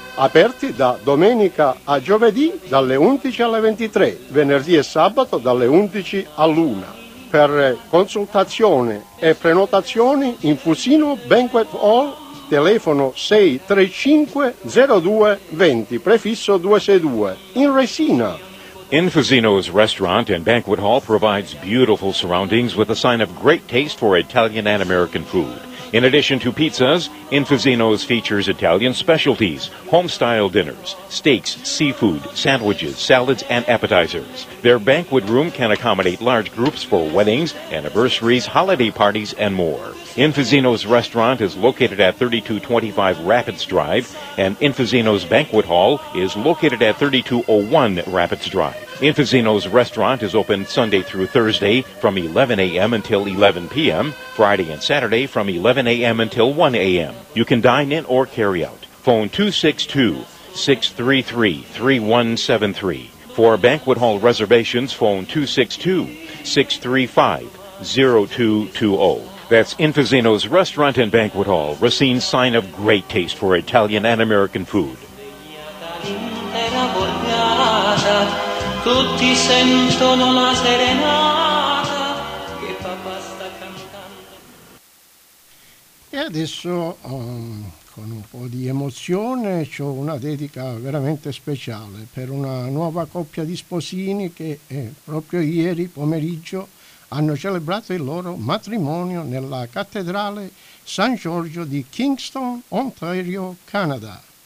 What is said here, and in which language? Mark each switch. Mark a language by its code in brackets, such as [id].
[it] Aperti da domenica a giovedì dalle 11 alle 23, venerdì e sabato dalle 11 all'1. Per consultazione e prenotazioni in Fusino Banquet Hall, telefono 635-0220, prefisso 262, in Resina. [en] Infusino's restaurant and banquet hall provides beautiful surroundings with a sign of great taste for Italian and American food. In addition to pizzas, Infusino's features Italian specialties, home-style dinners, steaks, seafood, sandwiches, salads, and appetizers. Their banquet room can accommodate large groups for weddings, anniversaries, holiday parties, and more. Infusino's restaurant is located at 3225 Rapids Drive, and Infusino's banquet hall is located at 3201 Rapids Drive. Infusino's restaurant is open Sunday through Thursday from 11 a.m. until 11 p.m., Friday and Saturday from 11 a.m. until 1 a.m. You can dine in or carry out. Phone 262-633-3173. For banquet hall reservations, phone 262-635-0220. That's Infusino's restaurant and banquet hall, Racine's sign of great taste for Italian and American food. [it] Tutti sentono la serenata che papà sta cantando. E adesso con un po' di emozione c'ho una dedica veramente speciale per una nuova coppia di sposini che proprio ieri pomeriggio hanno celebrato il loro matrimonio nella cattedrale San Giorgio di Kingston, Ontario, Canada.